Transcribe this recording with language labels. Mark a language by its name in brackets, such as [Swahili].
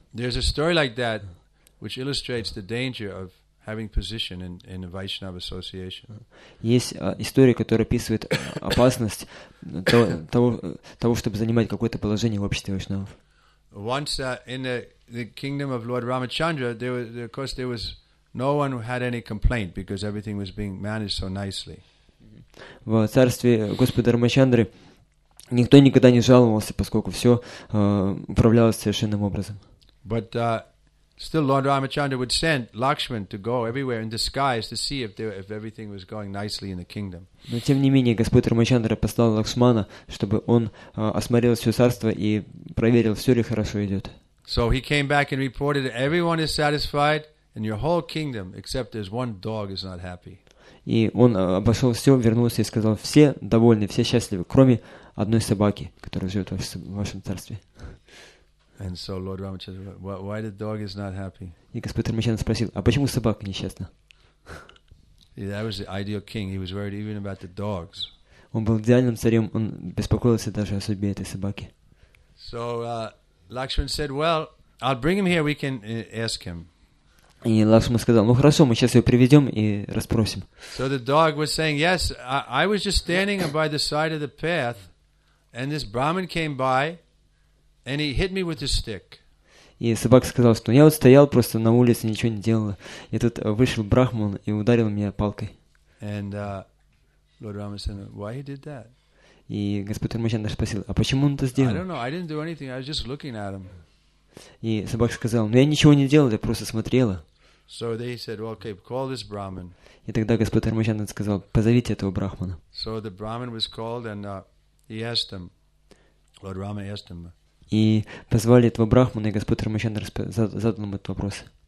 [English] There's a story like that, which illustrates the danger of having position in a Vaishnava association. [Russian] Есть история, которая описывает опасность того, чтобы занимать какое-то положение в обществе вайшнавов. [English] Once in the kingdom of Lord Ramachandra, there was no one who had any complaint because everything was being managed so nicely. [Russian] В царстве Господа Рамачандры никто никогда не жаловался, поскольку все управлялось совершенным образом. [English] But still, Lord Ramachandra would send Lakshman to go everywhere in disguise to see if everything was going nicely in the kingdom. [Russian] Но тем не менее Господь Рамачандра послал Лакшмана, чтобы он осмотрел все царство и проверил, все ли хорошо идет. [English] So he came back and reported that everyone is satisfied in your whole kingdom, except there's one dog is not happy. [Russian] И он обошел все, вернулся и сказал: все довольны, все счастливы, кроме одной собаки, которая живет в вашем царстве. [English] And so Lord Ramachandra said, why the dog is not happy? [Russian] И Господь Рамачандра спросил: а почему собака несчастна? [English] Yeah, that was the ideal king. He was worried even about the dogs. [Russian] Он был идеальным царем, он беспокоился даже о судьбе этой собаки. [English] So Lakshman said, well, I'll bring him here, we can ask him. [Russian] И Лакшман сказал: ну хорошо, мы сейчас ее приведем и расспросим. [English] So the dog was saying, yes, I was just standing by the side of the path, and this Brahmin came by, and he hit me with his stick. [Russian] И собака сказала, что я вот стоял просто на улице, ничего не делала. И тут вышел брахман и ударил меня палкой. [English] And Lord Rama said, why he did that? [Russian] И Господь Рамачандра спросил, а почему он это сделал? [English] I don't know, I didn't do anything, I was just looking at him. [Russian] И собака сказала, ну я ничего не делал, я просто смотрела. [English] So they said, well, okay, call this brahman. [Russian] И тогда Господь Рамачандра сказал, позовите этого брахмана. [English] So the brahman was called and he asked him, Lord Rama asked him, [Russian] и позвали этого брахмана, и Господь Рамачандра задал ему этот вопрос.